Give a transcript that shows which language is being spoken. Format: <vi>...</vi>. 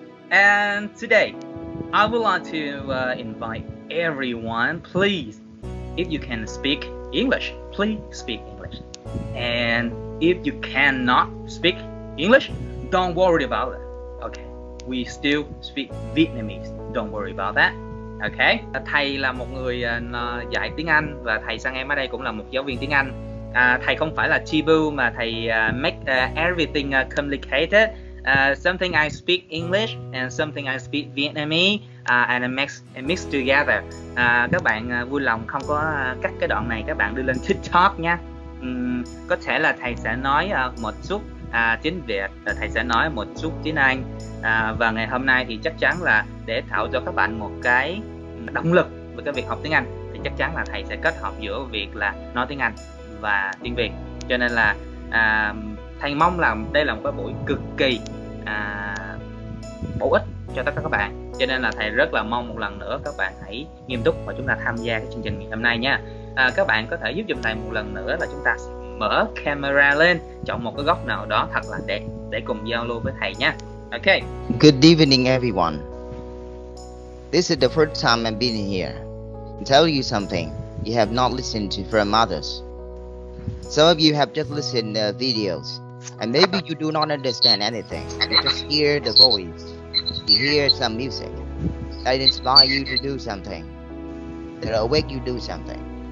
<en>And today, I would like to invite everyone, please, if you can speak English, please speak English. And if you cannot speak English, don't worry about it. Okay, we still speak Vietnamese. Don't worry about that. Okay.</en> <vi>Thầy là một người dạy tiếng Anh và thầy Sang Em ở đây cũng là một giáo viên tiếng Anh. Thầy không phải là Chibu mà thầy</vi> <en>make everything complicated. Something I speak English and something I speak Vietnamese and mix together.</en> <vi>Các bạn vui lòng không có cắt cái đoạn này, các bạn đưa lên TikTok nha. Có thể là thầy sẽ nói một chút tiếng Việt, thầy sẽ nói một chút tiếng Anh. Và ngày hôm nay thì chắc chắn là để tạo cho các bạn một cái động lực với cái việc học tiếng Anh, thì chắc chắn là thầy sẽ kết hợp giữa việc là nói tiếng Anh và tiếng Việt. Cho nên là thầy mong là đây là một cái buổi cực kỳ bổ ích cho tất cả các bạn. Cho nên là thầy rất là mong một lần nữa các bạn hãy nghiêm túc và chúng ta tham gia cái chương trình ngày hôm nay nha. Các bạn có thể giúp giùm thầy một lần nữa là chúng ta sẽ mở camera lên, chọn một cái góc nào đó thật là đẹp để cùng giao lưu với thầy nha.</vi> <en>Okay. Good evening everyone. This is the first time I've been here. I'll tell you something you have not listened to from others. Some of you have just listened to videos and maybe you do not understand anything. You just hear the voice, you hear some music that inspire you to do something, that awake you to do something.</en>